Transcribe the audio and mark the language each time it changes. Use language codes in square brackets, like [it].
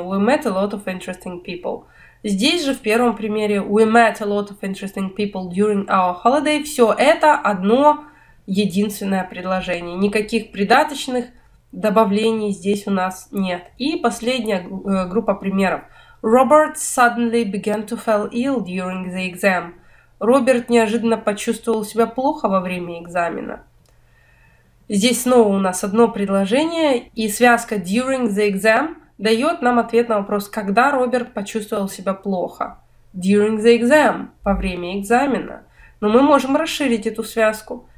[en] We met a lot of interesting people. [ru] Здесь же в первом примере [en] we met a lot of interesting people during our holiday – [ru] все это одно единственное предложение. Никаких придаточных добавлений здесь у нас нет. И последняя группа примеров. [en] Robert suddenly began to feel ill during the exam. [ru] Роберт неожиданно почувствовал себя плохо во время экзамена. Здесь снова у нас одно предложение, и связка [en] during the exam [ru] дает нам ответ на вопрос, когда Роберт почувствовал себя плохо. [en] During the exam, [ru] во время экзамена. Но мы можем расширить эту связку.